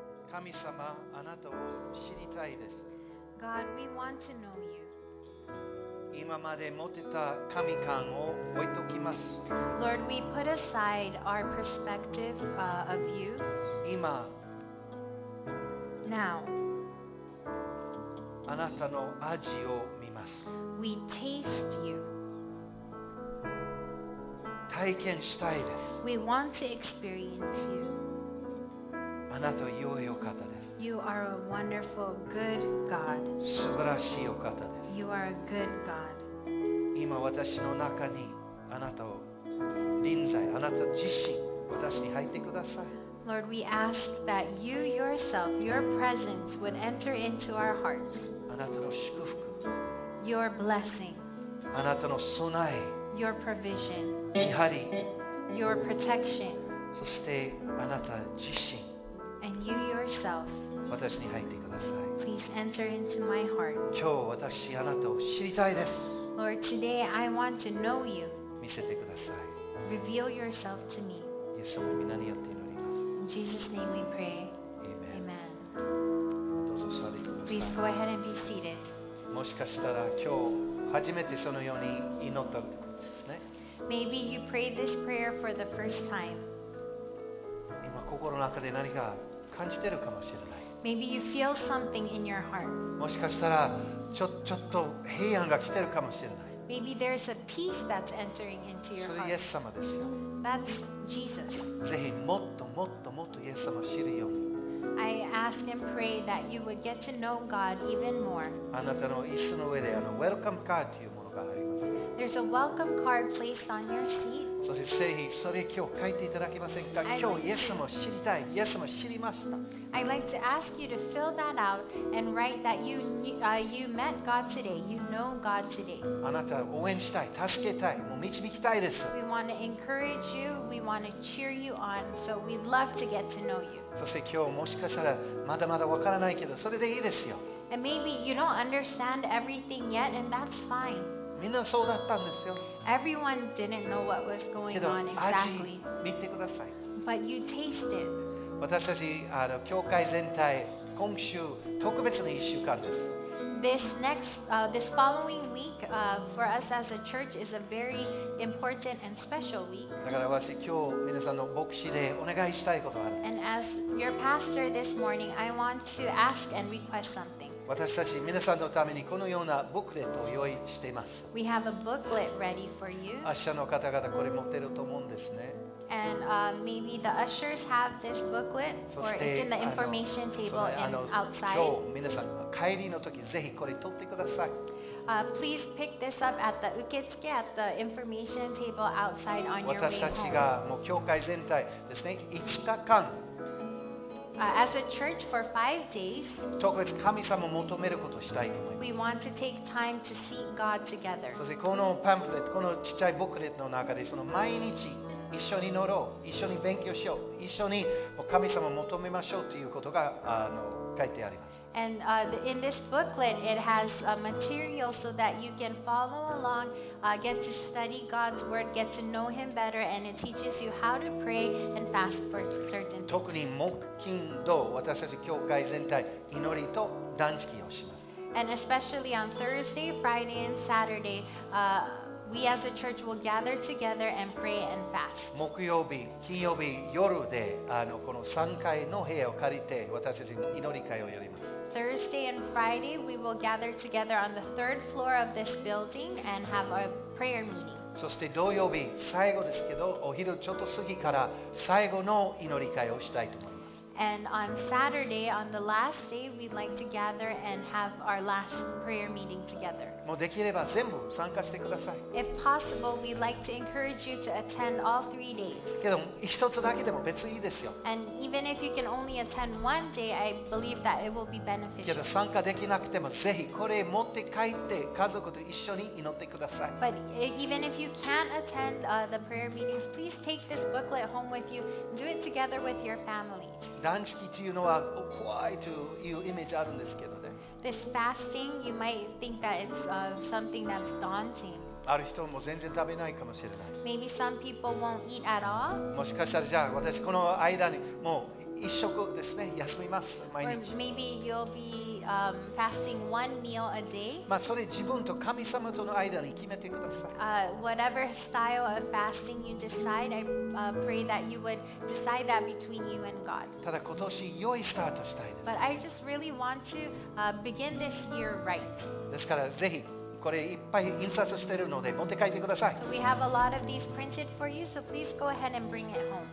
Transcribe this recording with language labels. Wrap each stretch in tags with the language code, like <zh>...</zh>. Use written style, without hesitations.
<ja>神様、あなたを知りたいです。</ja> <en>God, we want to know you.</en> <ja>今まで持ってた神観を置いときます。</ja> <en>Lord, we put aside our perspective, of you.</en> <ja>今。</ja> <en>Now.</en> <ja>あなたの味を見ます。</ja> <en>We taste you.</en> <ja>体験したいです。</ja> <en>We want to experience you.</en> <ja>あなた良いお方です。</ja> <en>You are a wonderful, good God.</en> <ja>素晴らしいお方です。</ja> <en>You are a good God.</en> <ja>今私の中にあなたを臨在、あなた自身、私に入ってください。</ja> <en>Lord, we ask that you yourself, your presence would enter into our hearts.</en> <ja>あなたの祝福。</ja> <en>Your blessing.</en> <ja>あなたの備え。</ja> <en>Your provision.</en> <ja>見張り、</ja> <en>Your protection.</en> <ja>そしてあなた自身、</ja> <en>And you yourself.</en> <ja>私に入ってください。</ja> <en>Please enter into my heart.</en> <ja>今日私あなたを知りたいです。</ja> <en>Lord, today I want to know you.</en> <ja>見せてください。</ja> <en>Reveal yourself to me.</en> <ja>イエス様の名によって祈ります。</ja> <en>In Jesus' name we pray. Amen. Amen.</en> <ja>どうぞ座りください。</ja> <en>Please go ahead and be seated.</en> <ja>もしかしたら今日初めてそのように祈った。</ja> <en>Maybe you prayed this prayer for the first time.</en> <ja>今心の中で何か感じてるかもしれない。</ja> <en>Maybe you feel something in your heart.</en> <ja>もしかしたらちょっと平安が来てるかもしれない。</ja> <en>Maybe there's a peace that's entering into your heart.</en> <ja>それイエス様ですよ。</ja> <en>That's Jesus.</en> <ja>ぜひもっともっともっとイエス様を知るように。</ja> <en>I ask and pray that you would get to know God even more.</en> <ja>あなたの椅子の上であのウェルカムカードというものがあります。</ja> <en>There's a welcome card placed on your seat.</en> <ja>そしてぜひそれ今日書いていただけませんか。今日イエス様を知りたい。イエス様知りました。</ja> <en>I'd like to ask you to fill that out and write that you met God today. You know God today.</en> <ja>あなた応援したい、助けたい、もう導きたいです。</ja> <en>We want to encourage you. We want to cheer you on. So we'd love to get to know you.</en> <ja>そして今日もしかしたらまだまだわからないけどそれでいいですよ。</ja> <en>And maybe you don't understand everything yet, and that's fine.</en> <ja>みんなそうだったんですよ。</ja> <en>Everyone didn't know what was going on exactly.</en> <ja>見てください。</ja> <en>But you taste it.</en> <ja>私たちあの教会全体、今週特別な1週間です。</ja> <en>This following week, for us as a church is a very important and special week.</en> <ja>だから私今日皆さんの牧師でお願いしたいことがある。</ja> <en>And as your pastor this morning, I want to ask and request something.</en> <ja>私たち皆さんのためにこのようなブックレットを用意しています。</ja> <en>We have a booklet ready for you.</en> <ja>明日の方々これ持ってると思うんですね。</ja> <en>And maybe the ushers have this booklet, or it's in the information table outside.</en> <ja>今日皆さん帰りの時ぜひこれ取ってください。</ja> <en>Please pick this up at the 受付 at the information table outside on your way home.</en> <ja>私たちがもう教会全体ですね、5日間。</ja> <en>As a church for 5 days,</en> <ja>特別神様を求めることをしたいと思います。</ja> <en>We want to take time to seek God together.</en> <ja>そしてこのパンフレット、このちっちゃいブックレットの中で、その毎日一緒に乗ろう、一緒に勉強しよう、一緒に神様を求めましょうということがあの書いてあります。</ja> <en>And in this booklet, it has a material so that you can follow along, get to study God's word, get to know Him better, and it teaches you how to pray and fast for certain</en> <ja>things. 特に木金土、私たち教会全体、祈りと断食をします。</ja> <en>And especially on Thursday, Friday, and Saturday, we as a church will gather together and pray and fast.</en> <ja>木曜日、金曜日、夜で、あの、この3階の部屋を借りて、私たち祈り会をやります。</ja> <en>Thursday and Friday, we will gather together on the third floor of this building and have a prayer meeting.</en> <ja>そして土曜日、最後ですけど、お昼ちょっと過ぎから最後の祈り会をしたいと思います。</ja> <en>And on Saturday, on the last day, we'd like to gather and have our last prayer meeting together.</en> <ja>もうできれば全部参加してください。</ja> <en>If possible, we'd like to encourage you to attend all 3 days.</en> <ja>けど一つだけでも別にいいですよ。</ja> <en>And even if you can only attend one day, I believe that it will be beneficial.</en> <ja>けど参加できなくてもぜひこれ持って帰って家族と一緒に祈ってください。</ja> <en>But even if you can't attend the prayer meetings, please take this booklet home with you. Do it together with your family.</en> <ja>断食というのは怖いというイメージあるんですけどね。</ja> <en>This fasting, you might think that it's something that's daunting.</en> <ja>ある人も全然食べないかもしれない。</ja> <en>Maybe some people won't eat at all.</en> <ja>もしかしたらじゃあ私この間にもう一食ですね、休みます、毎日。</ja> <en>Or maybe you'll be, fasting one meal a day.</en> <ja>まあそれ自分と神様との間に決めてください。</ja> <en>Whatever style of fasting you decide, I, pray that you would decide that between you and God.</en> <ja>ただ今年良いスタートしたいです。</ja> <en>But I just really want to, begin this year right.</en> <ja>ですからぜひ。これいっぱい印刷してるので持って帰ってください。</ja> <en>So we have a lot of these printed for you, so please go ahead and bring it home.</en>